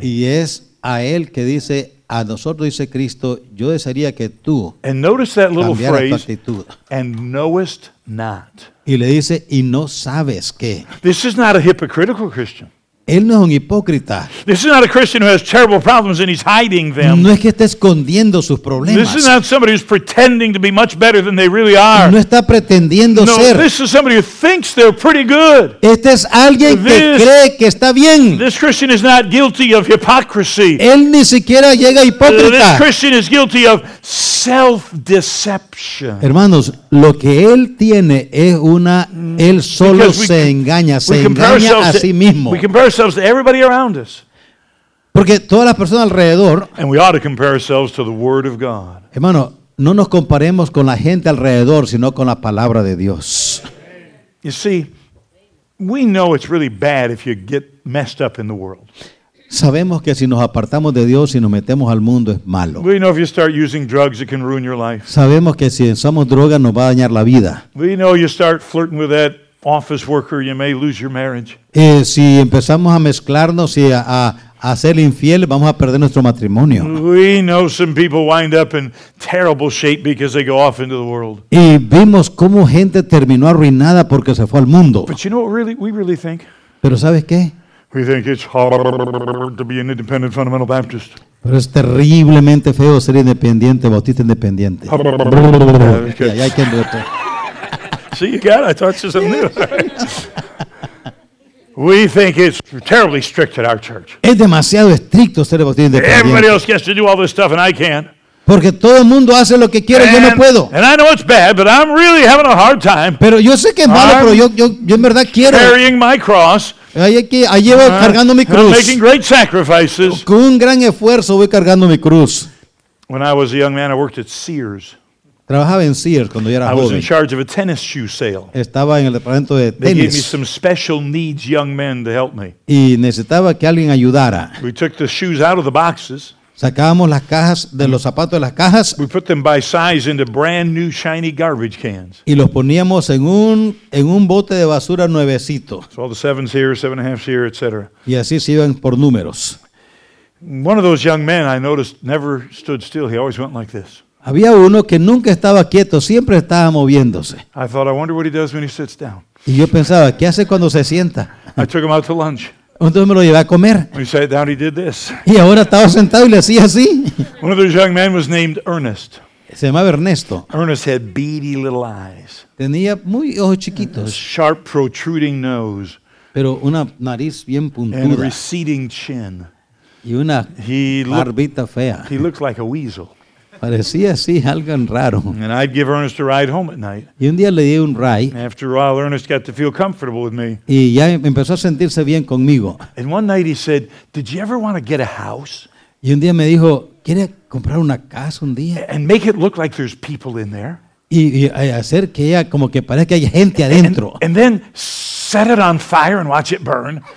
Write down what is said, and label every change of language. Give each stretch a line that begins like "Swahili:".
Spanish: Y es a él que dice, a nosotros dice Cristo, yo desearía que tú cambiaras tu actitud.
English: And knowest not.
Spanish: Y le dice, y no sabes qué.
English: This is not a hypocritical Christian.
Spanish: Él no es un hipócrita.
English: This is not a Christian who has terrible problems and he's hiding them.
Spanish: No es que esté escondiendo sus problemas.
English: This is not somebody who's pretending to be much better than they really are.
Spanish: No está pretendiendo no, ser.
English: No, this is somebody who thinks they're pretty good.
Spanish: Este es alguien que cree que está bien.
English: This Christian is not guilty of hypocrisy.
Spanish: Él ni siquiera llega hipócrita.
English: This Christian is guilty of self-deception.
Spanish: Hermanos, lo que él tiene es una él solo
English: we,
Spanish: se engaña, se engaña a sí mismo.
English: Ourselves to everybody around us.
Spanish: Porque todas las personas alrededor.
English: And we ought to compare ourselves to the Word of God.
Spanish: Hermano, no nos comparemos con la gente alrededor, sino con la palabra de Dios.
English: You see, we know it's really bad if you get messed up in the world.
Spanish: Sabemos que si nos apartamos de Dios y nos metemos al mundo es malo.
English: We know if you start using drugs, it can ruin your life.
Spanish: Sabemos que si usamos drogas nos va a dañar la vida.
English: We know you start flirting with that office worker, you may lose your marriage.
Spanish: Si empezamos a mezclarnos y a ser infiel, vamos a perder nuestro matrimonio.
English: We know some people wind up in terrible shape because they go off into the world.
Spanish: Y vimos cómo gente terminó arruinada porque se fue al mundo.
English: But you know what really, we really think?
Spanish: Pero ¿sabes qué?
English: We think it's hard to be an independent fundamental Baptist.
Spanish: Pero es terriblemente feo ser independiente, bautista independiente. Y hay quien lo
English: See, you got it. I taught you something new. We think it's terribly strict at our church.
Spanish: Es demasiado estricto ser bautista independiente.
English: Everybody else gets to do all this stuff and I can't.
Spanish: Porque todo el mundo hace lo que quiere, yo no puedo.
English: And I know it's bad, but I'm really having a hard time.
Spanish: Pero yo sé que es malo, pero yo en verdad quiero.
English: Carrying my cross.
Spanish: Ahí llevo cargando mi cruz.
English: I'm making great sacrifices.
Spanish: Con un gran esfuerzo voy cargando mi cruz.
English: When I was a young man, I worked at Sears.
Spanish: Trabajaba en Sears cuando yo era
English: I
Spanish: joven.
English: Was in charge of a tennis shoe sale.
Spanish: Estaba en el departamento de tenis.
English: They gave me some special needs young men to help me.
Spanish: Y necesitaba que alguien ayudara.
English: We took the shoes out of the boxes.
Spanish: Sacábamos las cajas de los zapatos de las cajas.
English: We put them by size into brand new shiny garbage cans.
Spanish: Y los poníamos en un bote de basura nuevecito.
English: So all the sevens here, seven and a half here, etc.
Spanish: Y así se iban por números.
English: One of those young men I noticed never stood still. He always went like this.
Spanish: Había uno que nunca estaba quieto, siempre estaba moviéndose.
English: I thought, I wonder what he does when he sits down.
Spanish: Y yo pensaba, ¿qué hace cuando se sienta?
English: I took him out to lunch.
Spanish: Entonces me lo llevé a comer.
English: When he sat down, he did this.
Spanish: Y ahora estaba sentado y le hacía así.
English: One of those young men was named Ernest.
Spanish: Se llamaba Ernesto.
English: Ernest had beady little eyes.
Spanish: Tenía muy ojos chiquitos.
English: A sharp, protruding nose.
Spanish: Pero una nariz bien puntuda.
English: And a receding chin.
Spanish: Y una barbita fea.
English: He looked like a weasel.
Spanish: Parecía así, algo raro.
English: And I'd give Ernest a ride home at night.
Spanish: Y un día le di un ride.
English: After a while, Ernest got to feel comfortable with me.
Spanish: Y ya empezó a sentirse bien conmigo.
English: And one night he said, did you ever want to get a house?
Spanish: Y un día me dijo, ¿quiere comprar una casa un día?
English: And make it look like there's people in there.
Spanish: Y hacer que ella como que parezca que hay gente adentro.
English: And then set it on fire and watch it burn.